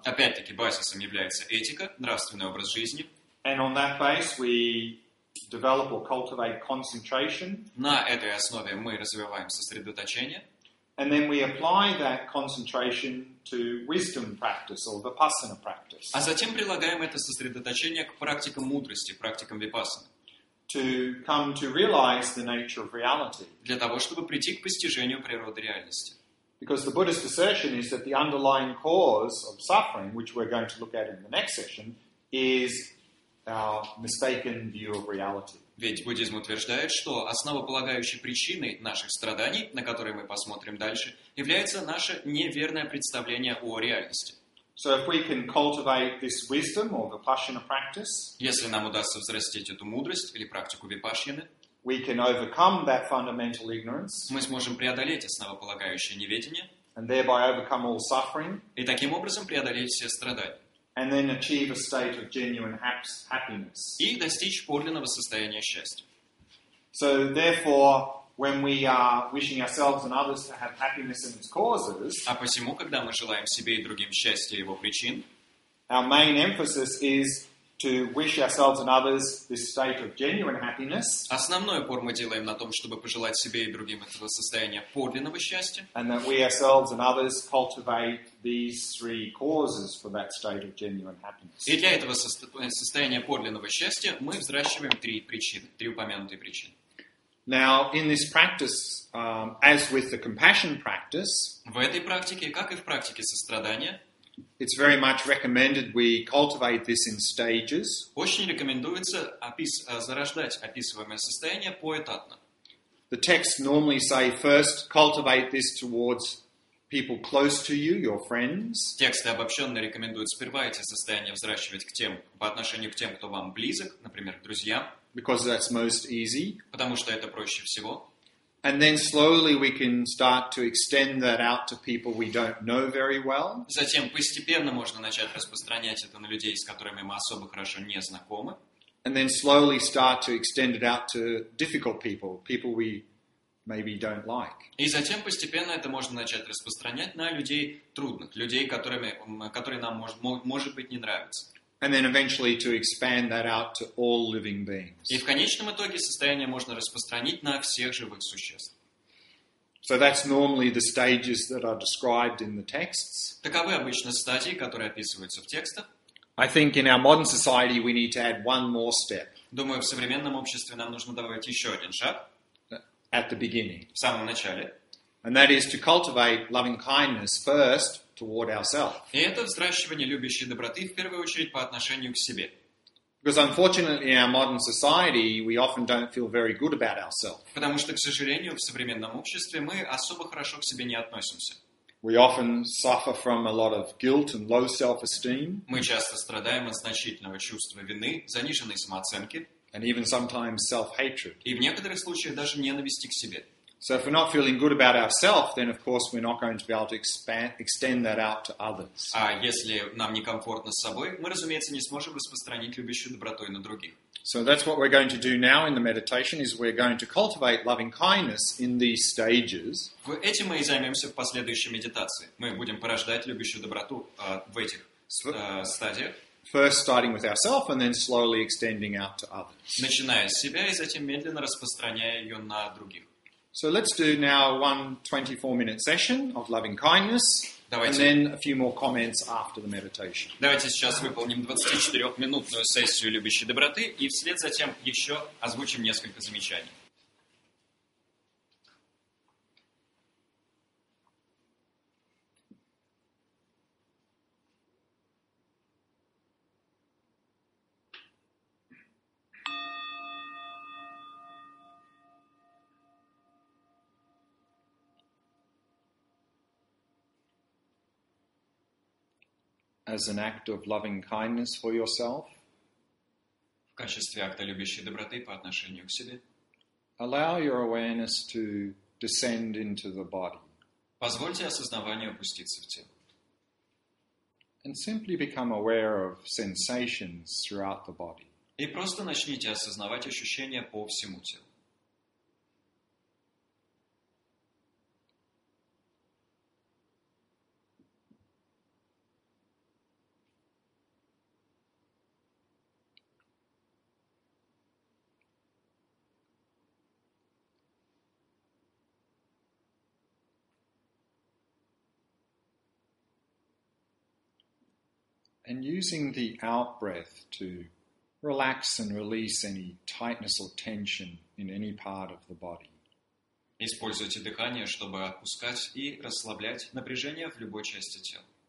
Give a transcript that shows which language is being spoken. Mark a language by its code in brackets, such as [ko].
[ru] Опять-таки, базисом является этика, нравственный образ жизни. [en] And on that base, we develop or cultivate concentration. [ru] На этой основе мы развиваем сосредоточение. [en] And then we apply that concentration to wisdom practice or vipassana practice. [ru] А затем прилагаем это сосредоточение к практикам мудрости, практикам випассаны. [en] To come to realize the nature of reality. [ru] Для того, чтобы прийти к постижению природы реальности. [en] Because the Buddhist assertion is that the underlying cause of suffering, which we're going to look at in the next session, is our mistaken view of reality. [ru] Ведь буддизм утверждает, что основополагающей причиной наших страданий, на которые мы посмотрим дальше, является наше неверное представление о реальности. [en] So if we can cultivate this wisdom or vipassana practice, [ru] если нам удастся взрастить эту мудрость или практику випашьяны, [en] we can overcome that fundamental ignorance, [ru] мы сможем преодолеть основополагающее неведение, [en] and thereby overcome all suffering, [ru] и таким образом преодолеть все страдания. [en] And then achieve a state of genuine happiness. [ru] И достичь подлинного состояния счастья. [en] So therefore, when we are wishing ourselves and others to have happiness in its causes, [ru] а посему, когда мы желаем себе и другим счастья его причин, [en] our main emphasis is to wish ourselves and others this state of genuine happiness. [ru] Основной упор мы делаем на том, чтобы пожелать себе и другим этого состояния подлинного счастья. [en] And that we ourselves and others cultivate these three causes for that state of genuine happiness. [ru] И для этого состояния подлинного счастья мы взращиваем три причины, три упомянутые причины. [en] Now, in this practice, as with the compassion practice, [ru] в этой практике, как и в практике сострадания, [en] it's very much recommended we cultivate this in stages. [ru] Очень рекомендуется зарождать описываемое состояние поэтапно. [en] The texts normally say first cultivate this towards people close to you, your friends. [ru] Тексты обобщенно рекомендуют сперва эти состояния взращивать к тем, по отношению к тем, кто вам близок, например, к друзьям. [en] Because that's most easy. [ru] Потому что это проще всего. [en] And then slowly we can start to extend that out to people we don't know very well. [ru] Затем постепенно можно начать распространять это на людей, с которыми мы особо хорошо не знакомы. [en] And then slowly start to extend it out to difficult people, people we maybe don't like. [ru] И затем постепенно это можно начать распространять на людей трудных, людей, которые нам может быть не нравятся. [en] And then eventually to expand that out to all living beings. [ru] И в конечном итоге состояние можно распространить на всех живых существ. [en] So that's normally the stages that are described in the texts. [ru] Таковы обычно стадии, которые описываются в текстах. [en] I think in our modern society we need to add one more step. [ru] Думаю, в современном обществе нам нужно добавить еще один шаг. [en] At the beginning. [ru] В самом начале. [en] And that is to cultivate loving kindness first toward ourselves. [ru] И это взращивание любящей доброты в первую очередь по отношению к себе. [en] Because unfortunately in our modern society we often don't feel very good about ourselves. [ru] Потому что, к сожалению, в современном обществе мы особо хорошо к себе не относимся. [en] We often suffer from a lot of guilt and low self-esteem. [ru] Мы часто страдаем от значительного чувства вины, заниженной самооценки. [en] And even sometimes self-hatred. [ru] И в некоторых случаях даже ненависти к себе. [en] So if we're not feeling good about ourselves, then of course we're not going to be able to extend that out to others. [ru] А если нам некомфортно с собой, мы, разумеется, не сможем распространить любящую добротой на других. [en] So that's what we're going to do now in the meditation, is we're going to cultivate loving kindness in these stages. [ru] Этим мы и займемся в последующей медитации. Мы будем порождать любящую доброту в этих стадиях. [en] First starting with ourselves and then slowly extending out to others. [ru] Начиная с себя и затем медленно распространяя ее на других. [en] So let's do now one 24-minute session of loving kindness. [ru] Давайте. [en] And then a few more comments after the meditation. [ru] Давайте сейчас выполним 24-минутную сессию любящей доброты и вслед за тем еще озвучим несколько замечаний. [en] As an act of loving kindness for yourself, [ru] в качестве акта любящей доброты по отношению к себе, [en] allow your awareness to descend into the body. [ru] Позвольте осознаванию опуститься в тело. [en] And simply become aware of sensations throughout the body. [ru] И просто начните осознавать ощущения по всему телу. [en] And using the out-breath to relax and release any tightness or tension in any part of the body. [ru] Используйте дыхание, чтобы отпускать и расслаблять напряжение в любой части тела.